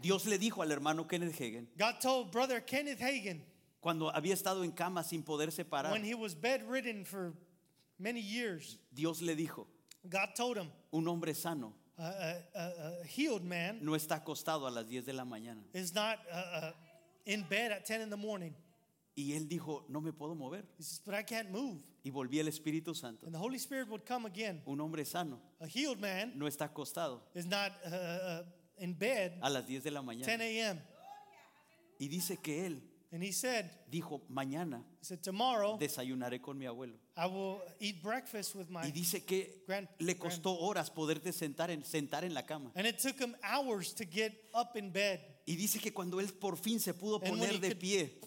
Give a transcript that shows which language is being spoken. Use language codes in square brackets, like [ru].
[es] Dios le dijo al hermano Kenneth Hagin. [en] God told brother Kenneth Hagin. [es] Cuando había estado en cama sin poder separar. [en] When he was bedridden for many years. [es] Dios le dijo. [en] God told him. [es] Un hombre sano. [en] A healed man. [es] No está acostado a las 10 de la mañana. [en] Is not in bed at 10 in the morning. [es] Y él dijo, no me puedo mover. [en] He says, but I can't move. [es] Y volvía el Espíritu Santo. [en] And the Holy Spirit would come again. [es] Un hombre sano. [en] A healed man. [es] No está acostado. [en] Is not in bed. [es] A las 10 de la mañana. [en] 10 a.m. [es] Y dice que él. [en] And he said. [es] Dijo, mañana. [en] He said, tomorrow. [es] Desayunaré con mi abuelo. [en] I will eat breakfast with my. [es] Y dice que le costó horas poderte sentar en la cama. [en] And it took him hours to get up in bed. [es] Y dice que cuando él por fin se pudo poner de pie,